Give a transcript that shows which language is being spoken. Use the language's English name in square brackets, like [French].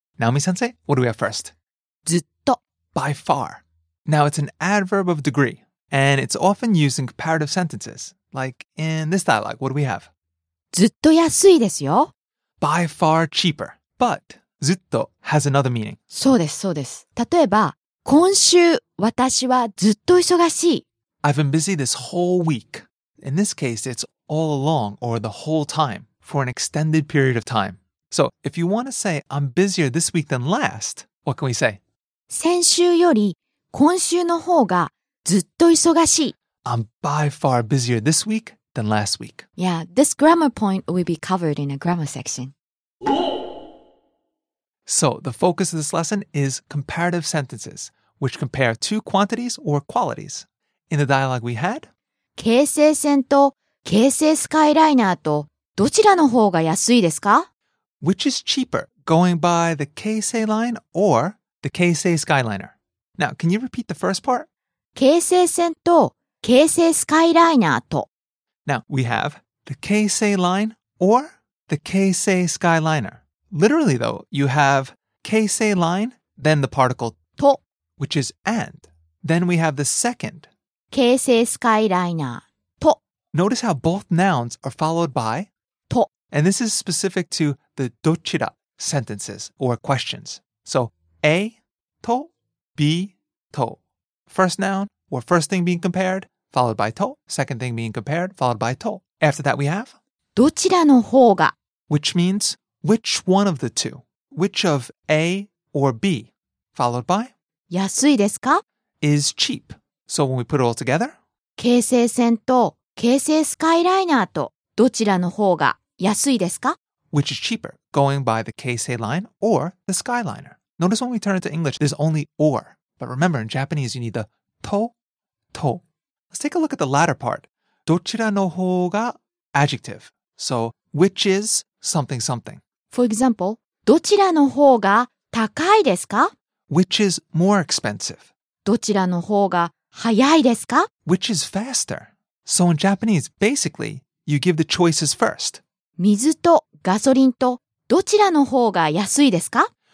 [English] Naomi-sensei, what do we have first? [Japanese] ずっと [English] By far. Now, it's an adverb of degree, and it's often used in comparative sentences. Like in this dialogue, what do we have? [Japanese] ずっと安いですよ。 [English] By far cheaper. But ずっと has another meaning. [Japanese] そうです、そうです。例えば、今週私はずっと忙しい。 [English] I've been busy this whole week. In this case, it's all along or the whole time for an extended period of time. So, if you want to say, I'm busier this week than last, what can we say? [Japanese] 先週より今週の方がずっと忙しい。 [English] I'm by far busier this week than last week. Yeah, this grammar point will be covered in a grammar section. So, the focus of this lesson is comparative sentences, which compare two quantities or qualities. In the dialogue we had... [Japanese] 京成線と京成スカイライナーとどちらの方が安いですか? [English] Which is cheaper, going by the Keisei line or the Keisei Skyliner? Now, can you repeat the first part? [Japanese] 京成線と京成スカイライナーと [English] Now, we have the Keisei line or the Keisei Skyliner. Literally though, you have Keisei line, then the particle [Japanese] と [English] which is and. Then we have the second. [Japanese] 京成スカイライナーと [English] Notice how both nouns are followed by [Japanese] と [English] And this is specific to the どちら sentences or questions. So, A と B と First noun or first thing being compared followed by と Second thing being compared followed by と After that we have [Japanese] どちらの方が [English] Which means which one of the two Which of A or B followed by [Japanese] 安いですか [English] Is cheapSo when we put it all together, [Japanese] 京成線と京成スカイライナーとどちらの方が安いですか? [English] Which is cheaper, going by the Keisei line or the Skyliner? Notice when we turn it to English, there's only or. But remember, in Japanese, you need the と、と. Let's take a look at the latter part. [Japanese] どちらの方が adjective. [English] So, which is something something. For example, [Japanese] どちらの方が高いですか? [English] Which is more expensive. [Japanese] どちらの方が早いですか? [English] Which is faster? So in Japanese, basically, you give the choices first. [Japanese] 水とガソリンとどちらの方が安いですか?